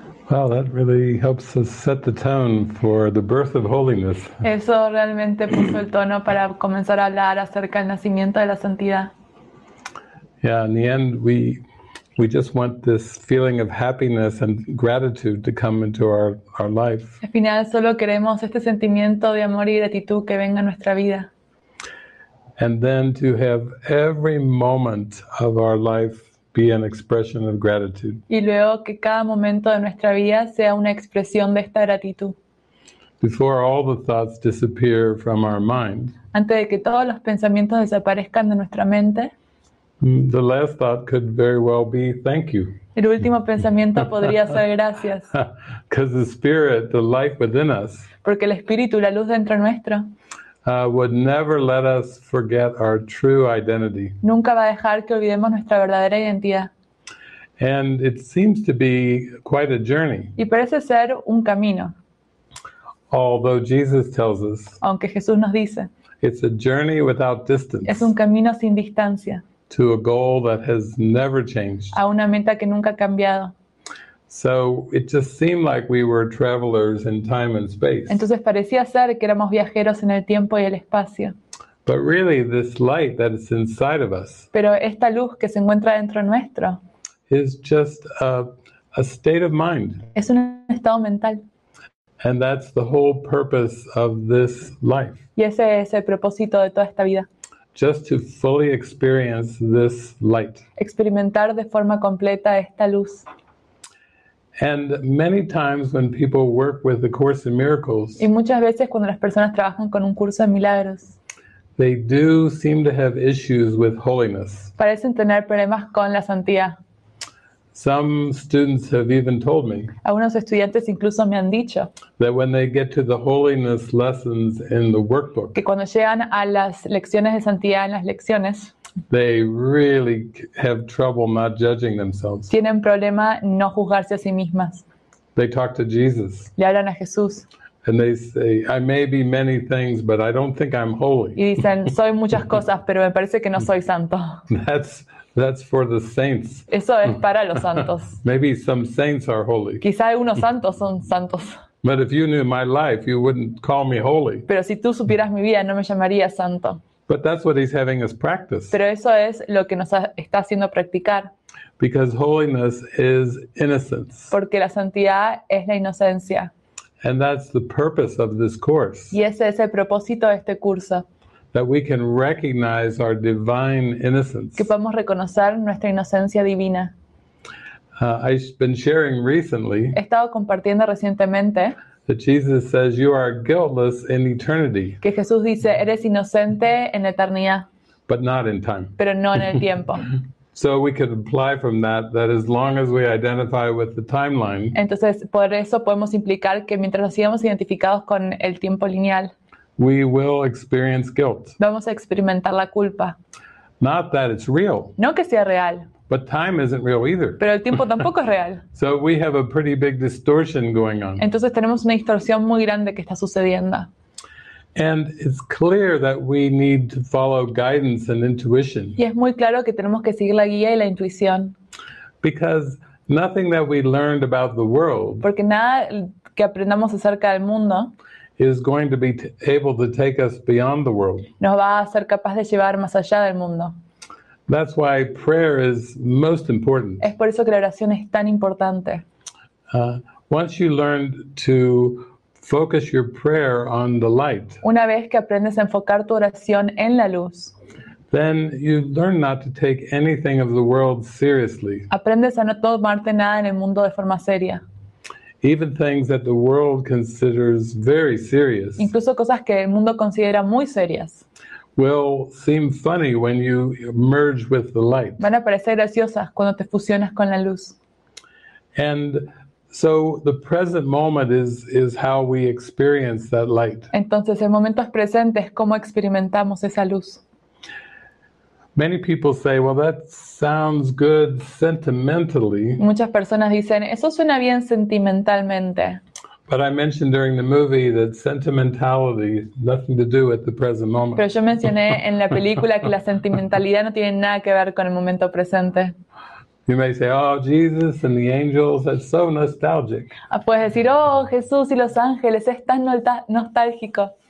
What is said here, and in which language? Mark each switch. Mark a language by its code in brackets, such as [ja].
[en] Wow, that really helps us set the tone for the birth of holiness. [es] Eso realmente puso el tono para comenzar a hablar acerca del nacimiento de la santidad. [en] Yeah, in the end, we just want this feeling of happiness and gratitude to come into our life. [es] Al final solo queremos este sentimiento de amor y gratitud que venga a nuestra vida. [en] And then to have every moment of our life be an expression of gratitude. [es] Y luego que cada momento de nuestra vida sea una expresión de esta gratitud. [en] Before all the thoughts disappear from our mind. [es] Antes de que todos los pensamientos desaparezcan de nuestra mente. [en] The last thought could very well be thank you. [es] El último pensamiento podría ser gracias. [en] Because the spirit, the life within us. [es] Porque el espíritu, la luz dentro nuestro. [en] Would never let us forget our true identity. [es] Nunca va a dejar que olvidemos nuestra verdadera identidad. [en] And it seems to be quite a journey. [es] Y parece ser un camino. [en] Although Jesus tells us. [es] Aunque Jesús nos dice. [en] It's a journey without distance. [es] Es un camino sin distancia. [en] To a goal that has never changed. [es] A una meta que nunca ha cambiado. [en] So it just seemed like we were travelers in time and space. [es] Entonces parecía ser que éramos viajeros en el tiempo y el espacio. [en] But really, this light that is inside of us. [es] Pero esta luz que se encuentra dentro nuestro. [en] Is just a state of mind. [es] Es un estado mental. [en] And that's the whole purpose of this life. [es] Y ese es el propósito de toda esta vida. [en] Just to fully experience this light. [es] Experimentar de forma completa esta luz. [en] And many times when people work with the Course in Miracles, [es] y muchas veces cuando las personas trabajan con un curso de milagros, [en] they do seem to have issues with holiness. [es] Parecen tener problemas con la santidad. [en] Some students have even told me, [es] algunos estudiantes incluso me han dicho, [en] that when they get to the holiness lessons in the workbook, [es] que cuando llegan a las lecciones de santidad en las lecciones, [en] they really have trouble not judging themselves. [es] Tienen problema no juzgarse a sí mismas. [en] They talk to Jesus. [es] Le hablan a Jesús. [en] And they say, I may be many things, but I don't think I'm holy. [es] Y dicen, soy muchas cosas, pero me parece que no soy santo. [en] That's for the saints. [es] Eso es para los santos. [en] Maybe some saints are holy. [es] Quizá algunos santos son santos. [en] But if you knew my life, you wouldn't call me holy. [es] Pero si tú supieras mi vida, no me llamarías santo. [en] But that's what he's having us practice. [es] Pero eso es lo que nos está haciendo practicar. [en] Because holiness is innocence. [es] Porque la santidad es la inocencia. [en] And that's the purpose of this course. [es] Y ese es el propósito de este curso. [en] That we can recognize our divine innocence. [es] Que podamos reconocer nuestra inocencia divina. [en] I've been sharing recently. [es] He estado compartiendo recientemente. [en] That Jesus says you are guiltless in eternity. [es] Que Jesús dice eres inocente en eternidad. [en] But not in time. [es] Pero no en el tiempo. [en] So we could imply from that as long as we identify with the timeline. [es] Entonces por eso podemos implicar que mientras sigamos identificados con el tiempo lineal. [en] We will experience guilt. [es] Vamos a experimentar la culpa. [en] Not that it's real. [es] No que sea real. [en] But time isn't real either. [es] Pero el tiempo tampoco es real. [en] So we have a pretty big distortion going on. [es] Entonces tenemos una distorsión muy grande que está sucediendo. [en] And it's clear that we need to follow guidance and intuition. [es] Y es muy claro que tenemos que seguir la guía y la intuición. [en] Because nothing that we learned about the world. [es] Porque nada que aprendamos acerca del mundo. [en] Is going to be able to take us beyond the world. [es] Nos va a ser capaz de llevar más allá del mundo. [en] That's why prayer is most important. [es] Es por eso que la oración es tan importante. [en] Once you learn to focus your prayer on the light. [es] Una vez que aprendes a enfocar tu oración en la luz. [en] Then you learn not to take anything of the world seriously. [es] Aprendes a no tomarte nada en el mundo de forma seria. [en] Even things that the world considers very serious. [es] Incluso cosas que el mundo considera muy serias. [en] Will seem funny when you merge with the light. [es] Van a parecer graciosas cuando te fusionas con la luz. [en] And so the present moment is how we experience that light. [es] Entonces el momento presente es cómo experimentamos esa luz. [en] Many people say, well, that sounds good sentimentally. [es] Muchas personas dicen, eso suena bien sentimentalmente. [en] But I mentioned during the movie that sentimentality has nothing to do with the present moment. [es] Pero yo mencioné en la película que la sentimentalidad no tiene nada que ver con el momento presente. [en] You may say, oh, Jesus and the angels, that's so nostalgic. [es] Puedes decir, oh, Jesús y los ángeles, es tan nostálgico.